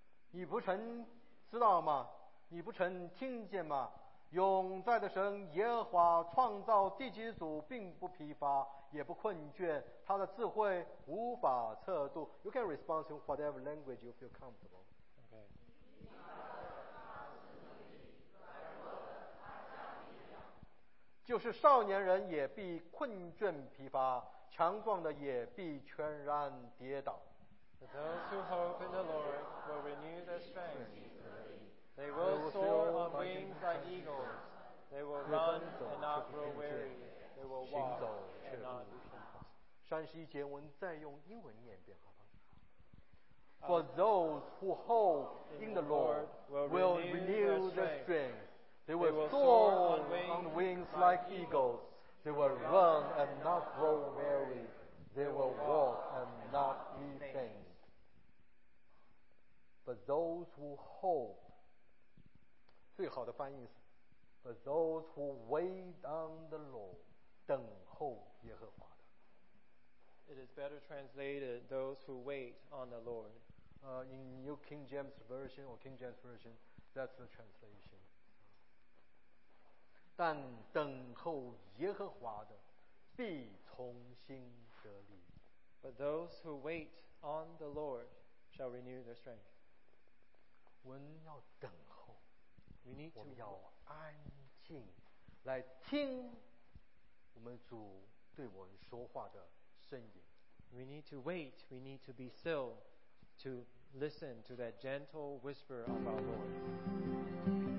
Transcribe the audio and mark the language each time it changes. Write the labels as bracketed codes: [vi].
[zh] 你不曾知道吗？你不曾听见吗？永在的神耶和华创造地基主，并不疲乏，也不困倦，他的智慧无法测度。 [en] You can respond in whatever language you feel comfortable. [zh] 就是少年人也必困倦疲乏，强壮的也必全然跌倒。 [en] Those who hope in the Lord will renew their strength. They will soar on wings like eagles. They will run and not grow weary. They will walk and not be faint. [zh] 31节我们再用英文念一遍，好不好？ [en] For those who hope in the Lord will renew their strength. They will soar on wings like eagles. They will run and not grow weary. They will walk and not be faint. But those who hope, [zh] 最好的翻译是 [en] But those who wait on the Lord, [zh] 等候耶和华的。 [en] It is better translated, those who wait on the Lord. In New King James Version or King James Version, that's the translation. [zh] 但等候耶和华的必重新得力。 [en] But those who wait on the Lord shall renew their strength. [zh] 我们要等候 [en] we need to [zh] 我们要安静来听我们主对我们说话的声音 [en] we need to wait we need to be still to listen to that gentle whisper of our Lord